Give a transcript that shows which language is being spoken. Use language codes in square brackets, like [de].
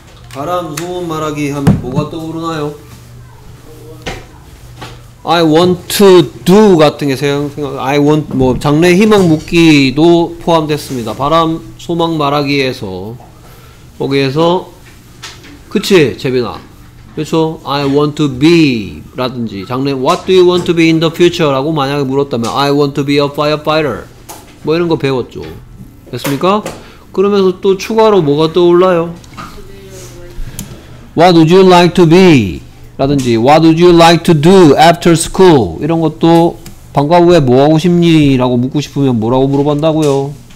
[ko] 바람 소원 말하기 하면 뭐가 떠오르나요? [en] I want to do [ko] 같은 게 생각 [en] I want [ko] 뭐 장래 희망 묻기도 포함됐습니다. 바람 소망 말하기에서 거기에서 그치 재빈아 그렇죠? [en] I want to be [ko] 라든지 장래 [en] What do you want to be in the future? [ko] 라고 만약에 물었다면 [en] I want to be a firefighter [ko] 뭐 이런 거 배웠죠. 됐습니까? 그러면서 또 추가로 뭐가 떠올라요? [en] What would you like to be? [ko] 라든지 [en] What would you like to do after school? [ko] 이런 것도 방과 후에 뭐 하고 싶니? 라고 묻고 싶으면 뭐라고 물어본다고요?